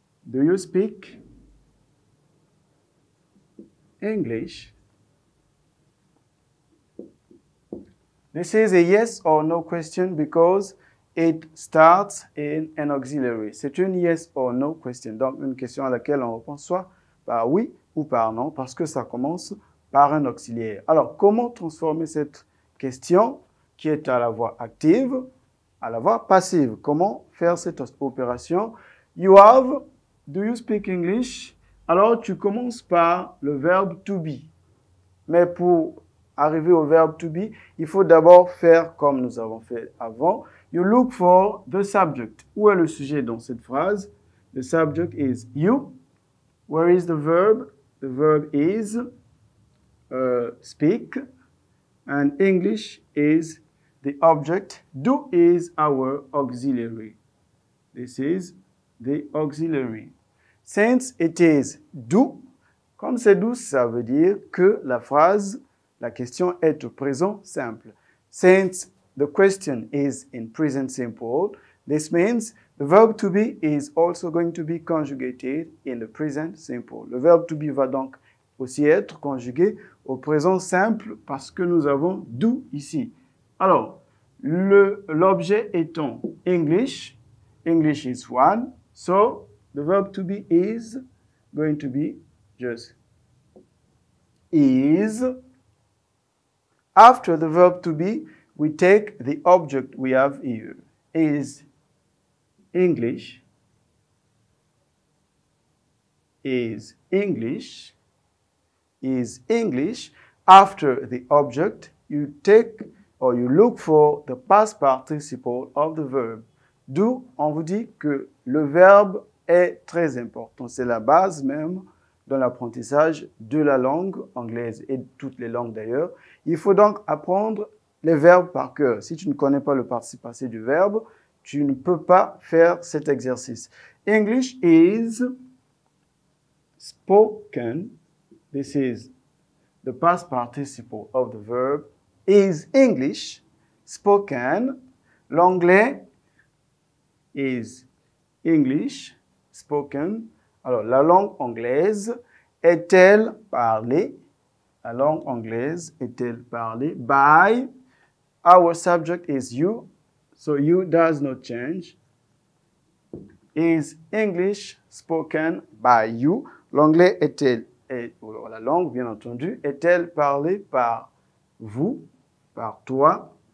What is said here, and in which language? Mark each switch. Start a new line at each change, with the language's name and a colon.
English: Do you speak English? This is a yes or no question because it starts in an auxiliary.
French: C'est une
English: yes or no question.
French: Donc, une question à laquelle on répond soit par oui ou par non parce que ça commence par un auxiliaire. Alors, comment transformer cette question qui est à la voix active à la voix passive? Comment faire cette opération?
English: You have, do you speak English?
French: Alors, tu commences par le verbe to be. Mais pour arriver au verbe to be, il faut d'abord faire comme nous avons fait avant.
English: You look for the subject.
French: Où est le sujet dans cette phrase?
English: The subject is you. Where is the verb? The verb is speak. And English is the object. Do is our auxiliary. This is the auxiliary. Since it is do,
French: comme c'est do, ça veut dire que la phrase, la question est au présent simple.
English: Since the question is in present simple, this means the verb to be is also going to be conjugated in the present simple.
French: Le verbe to be va donc aussi être conjugué au présent simple parce que nous avons do ici. Alors, l'objet étant
English: English, English is one, so the verb to be is going to be just is. After the verb to be, we take the object we have here. Is English. Is English. Is English. After the object, you take or you look for the past participle of the verb.
French: D'où on vous dit que le verbe est très important. C'est la base même dans l'apprentissage de la langue anglaise et de toutes les langues d'ailleurs. Il faut donc apprendre les verbes par cœur. Si tu ne connais pas le participe passé du verbe, tu ne peux pas faire cet exercice.
English: English is spoken. This is the past participle of the verb. Is English spoken? L'anglais is English spoken.
French: Alors, la langue anglaise est-elle parlée? La langue anglaise est-elle parlée?
English: By, our subject is you, so you does not change. Is English spoken by you?
French: L'anglais est-elle, la langue bien entendu, est-elle parlée par vous, par toi?